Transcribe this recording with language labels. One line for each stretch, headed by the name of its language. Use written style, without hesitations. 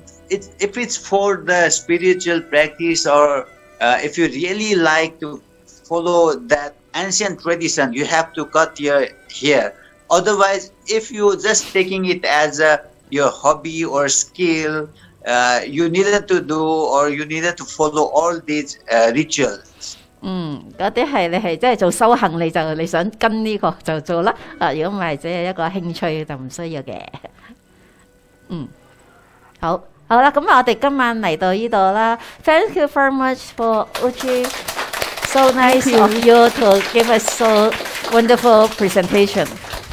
English: If it's for the spiritual practice, or if you really like to follow that ancient tradition, you have to cut your hair. Otherwise, if you're just taking it as your hobby or skill, you needed to do or you needed to follow all these rituals.
Cantonese: 嗰啲係你係真係做修行，你想跟呢個就做啦。啊，如果唔係只係一個興趣就唔需要嘅。好。好啦，咁我哋今晚嚟到呢度啦。
English: Thank you very much for Uchi. So nice of you to give us so wonderful presentation.